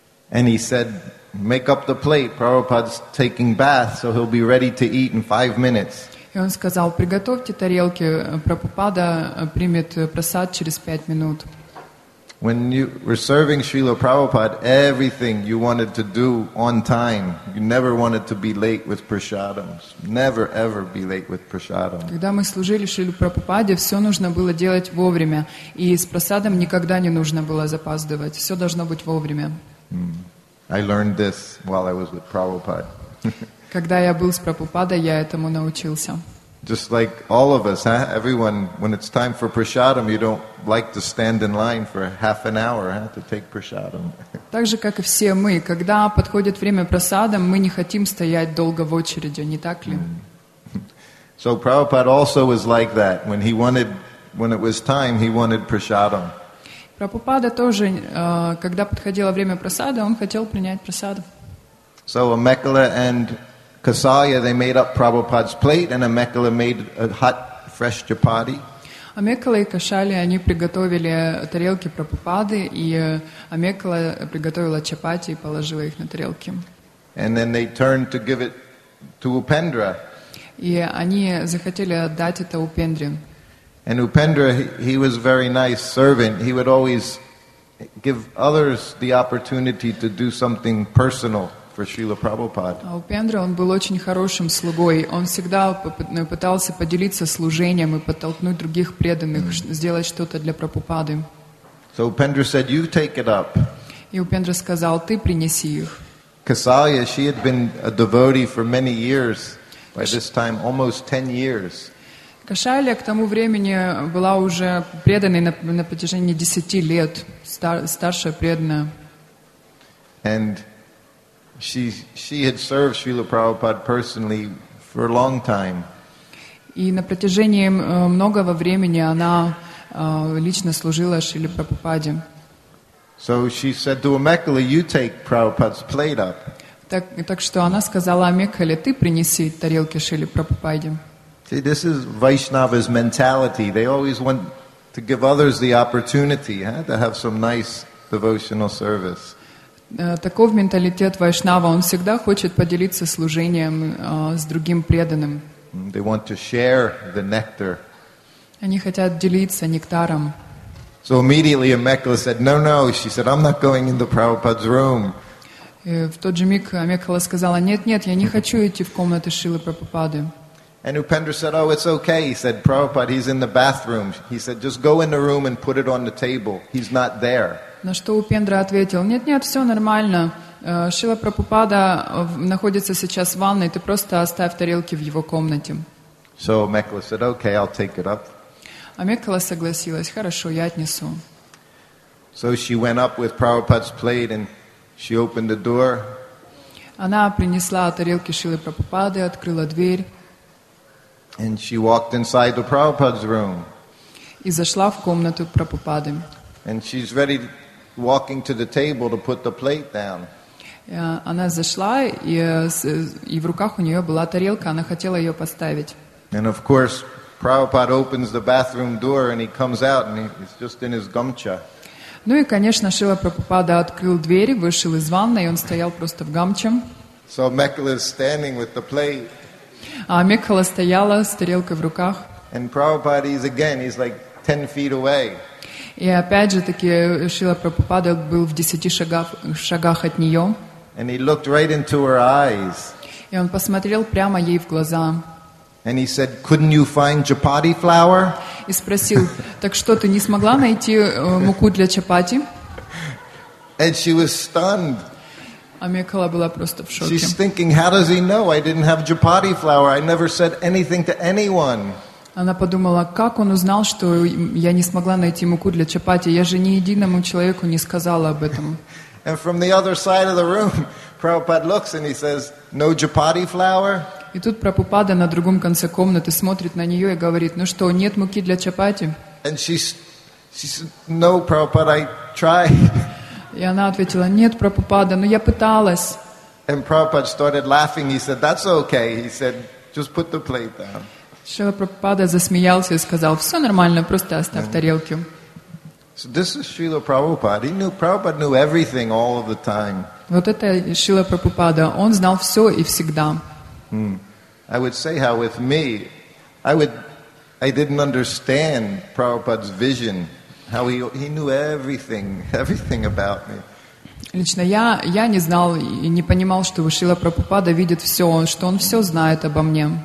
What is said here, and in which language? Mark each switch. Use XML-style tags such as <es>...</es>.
<en>And he said, "Make up the plate. Prabhupada's taking bath, so he'll be ready to eat in 5 minutes."</en> <ru>И он сказал: "Приготовьте тарелки. Прабхупада примет просад через 5 минут."</ru> <en>When you were serving Srila Prabhupada, everything you wanted to do on time. You never wanted to be late with prasadams. Never, ever be late with prasadam.</en> <ru>Когда мы служили Шриле Прабхупаде, все нужно было делать вовремя. И с прасадом никогда не нужно было запаздывать. Все должно быть вовремя.</ru> <en>I learned this while I was with Prabhupada.</en> <ru>Когда я был с Прабхупадой, я этому научился.</ru> <en>Just like all of us, huh? Everyone, when it's time for prasadam, you don't like to stand in line for half an hour, huh? To take prasadam.</en> <ru>Так же, как и все мы, когда подходит время прасадам, мы не хотим стоять долго в очереди, не так ли?</ru> <en>So Prabhupada also was like that. When it was time, he wanted prasadam.</en> <ru>Прабхупада тоже, когда подходило время прасада, он хотел принять прасадам.</ru> <en>So Amekala and Kasaya, they made up Prabhupada's plate, and Amekala made a hot, fresh chapati.</en> <ru>Amekala и Кашали, они приготовили тарелки Прабхупады, и Amekala приготовила чапати и положила их на тарелки.</ru> <en>And then they turned to give it to Upendra.</en> <ru>И они захотели отдать это Упендре.</ru> <en>And Upendra, he was a very nice servant. He would always give others the opportunity to do something personal.</en> <ru>Упендра, он был очень хорошим слугой. Он всегда пытался поделиться служением и подтолкнуть других преданных, сделать что-то для Прабхупады.</ru> <en>So Upendra said, "You take it up."</en> <ru>И Упендра сказал: "Ты принеси их."</ru> <en>Kasaya, she had been a devotee for many years. By this time, almost 10 years.</en> <ru>Кашалья к тому времени была уже преданной на протяжении 10 лет, старшая преданная.</ru> <en>And She had served Srila Prabhupada personally for a long time.</en> <ru>И на протяжении многого времени она лично служила Шриле Прабхупаде.</ru> <en>So she said to Amekala, "You take Prabhupada's plate up."</en> <ru>Так что она сказала Амекале: "Ты принеси тарелки Шриле Прабхупаде."</ru> <en>See, this is Vaishnava's mentality. They always want to give others the opportunity, huh, to have some nice devotional service.</en> <ru>Таков менталитет вайшнава. Он всегда хочет поделиться служением с другим преданным.</ru> <en>They want to share the nectar.</en> <ru>Они хотят делиться нектаром.</ru> <en>So immediately Amekala said, "No, no." She said, "I'm not going into Prabhupada's room."</en> <ru>В тот же миг Амекала сказала: "Нет, нет, я не хочу идти в комнату Шрилы Прабхупады."</ru> <en>And Upendra said, "Oh, it's okay." He said, "Prabhupada, he's in the bathroom." He said, "Just go in the room and put it on the table. He's not there."</en> <ru>На что Упендра ответил: «Нет-нет, все нормально. Шрила Прабхупада находится сейчас в ванной, ты просто оставь тарелки в его комнате».</ru> <en>So Amekala said, "Okay, I'll take it up."</en> <ru>Амекала согласилась: «Хорошо, я отнесу».</ru> <en>So she went up with Prabhupada's plate and she opened the door.</en> <ru>Она принесла тарелки Шрилы Прабхупады, открыла дверь.</ru> <en>And she walked inside the Prabhupada's room.</en> <ru>И зашла в комнату Прабхупады.</ru> <en>And she's ready walking to the table to put the plate down.</en> <ru>Она зашла, и в руках у нее была тарелка, она хотела ее поставить.</ru> <en>And of course, Prabhupada opens the bathroom door and he comes out and he's just in his gamcha.</en> <ru>Ну и, конечно, Шрила Прабхупада открыл дверь, вышел из ванной, и он стоял просто в гамче.</ru> <en>So Amekala is standing with the plate.</en> <ru>А Амекала стояла с тарелкой в руках.</ru> <en>And Prabhupada is again, he's like 10 feet away.</en> <ru>И опять же таки Шрила Прабхупада был в 10 шагах от нее.</ru> <en>And he looked right into her eyes.</en> <ru>И он посмотрел прямо ей в глаза.</ru> <en>And he said, "Couldn't you find chapati flour?"</en> <ru>И спросил: "Так что ты не смогла найти муку для чапати?"</ru> <en>And she was stunned.</en> <ru>А Микола была просто в шоке.</ru> <en>She's thinking, "How does he know I didn't have chapati flour? I never said anything to anyone."</en> <ru>Она подумала, как он узнал, что я не смогла найти муку для чапати? Я же ни единому человеку не сказала об этом.</ru> <en>And from the other side of the room, Prabhupada looks and he says, "No chapati flour?"</en> <ru>И тут Прабхупада на другом конце комнаты смотрит на нее и говорит: "Ну что, нет муки для чапати?"</ru> <en>And she said, "No, Prabhupada, I tried."</en> <ru>И она ответила: "Нет, Прабхупада, но я пыталась."</ru> <en>And Prabhupada started laughing. He said, "That's okay." He said, "Just put the plate down."</en> <ru>Шрила Прабхупада засмеялся и сказал: "Все нормально, просто оставь тарелки."</ru> <en>So this is Srila Prabhupada. He knew, Prabhupada knew everything all of the time.</en> <ru>Вот это Шрила Прабхупада. Он знал все и всегда.</ru> <en>I would say how with me, I didn't understand Prabhupada's vision. How he knew everything about me.</en> <ru>Лично я не знал и не понимал, что Шрила Прабхупада видит все, что он все знает обо мне.</ru>